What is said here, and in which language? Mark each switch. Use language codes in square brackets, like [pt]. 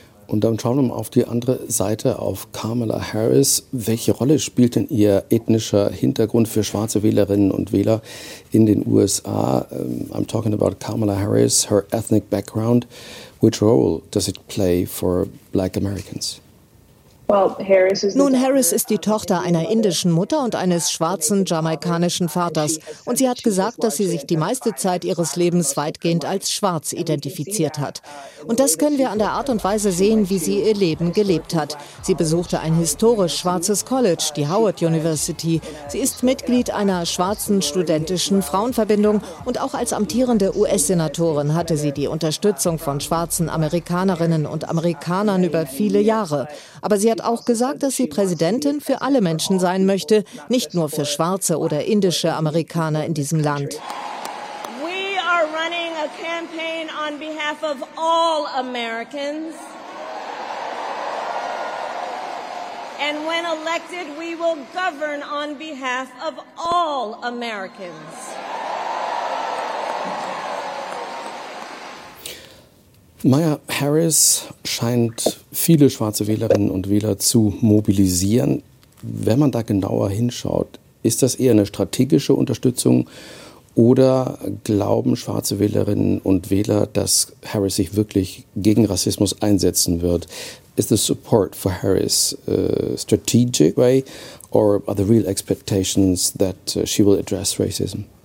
[de] Und dann schauen wir mal auf die andere Seite, auf Kamala Harris. Welche Rolle spielt denn ihr ethnischer Hintergrund für schwarze Wählerinnen und Wähler in den USA? [en] I'm talking about Kamala Harris, her ethnic background. Which role does it play for black Americans? [de] Nun, Harris ist die Tochter einer indischen Mutter und eines schwarzen jamaikanischen Vaters. Und sie hat gesagt, dass sie sich die meiste Zeit ihres Lebens weitgehend als schwarz identifiziert hat. Und das können wir an der Art und Weise sehen, wie sie ihr Leben gelebt hat. Sie besuchte ein historisch schwarzes College, die Howard University. Sie ist Mitglied einer schwarzen studentischen Frauenverbindung. Und auch als amtierende US-Senatorin hatte sie die Unterstützung von schwarzen Amerikanerinnen und Amerikanern über viele Jahre. Aber sie hat auch gesagt, dass sie Präsidentin für alle Menschen sein möchte, nicht nur für schwarze oder indische Amerikaner in diesem Land. [en] We are running a campaign on behalf of all Americans. And when elected, we will govern on behalf of all Americans. [de] Maya Harris scheint viele schwarze Wählerinnen und Wähler zu mobilisieren. Wenn man da genauer hinschaut, ist das eher eine strategische Unterstützung oder glauben schwarze Wählerinnen und Wähler, dass Harris sich wirklich gegen Rassismus einsetzen wird? [en] Is the support for Harris a strategic way or are the real expectations that she will address racism?